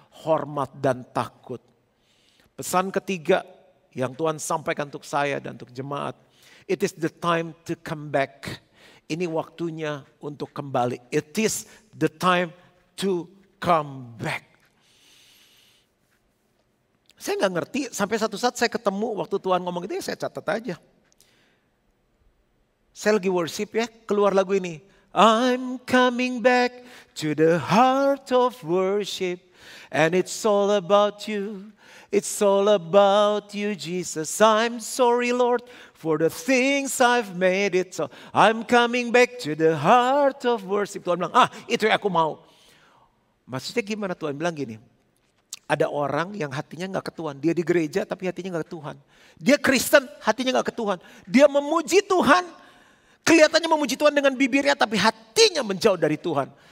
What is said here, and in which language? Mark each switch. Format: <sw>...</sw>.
<id>hormat dan takut. Pesan ketiga yang Tuhan sampaikan untuk saya dan untuk jemaat,</id> <en>it is the time to come back.</en> <id>Ini waktunya untuk kembali.</id> <en>It is the time to come back.</en> <id>Saya gak ngerti, sampai satu saat saya ketemu waktu Tuhan ngomong itu, ya saya catat aja. Saya lagi worship ya, keluar lagu ini.</id> <en>I'm coming back to the heart of worship, and it's all about you. It's all about you, Jesus. I'm sorry, Lord, for the things I've made it so. I'm coming back to the heart of worship.</en> <id>Tuhan bilang, ah, itu yang aku mau. Maksudnya gimana? Tuhan bilang gini, ada orang yang hatinya gak ke Tuhan. Dia di gereja, tapi hatinya gak ke Tuhan. Dia Kristen, hatinya gak ke Tuhan. Dia memuji Tuhan. Kelihatannya memuji Tuhan dengan bibirnya, tapi hatinya menjauh dari Tuhan.</id>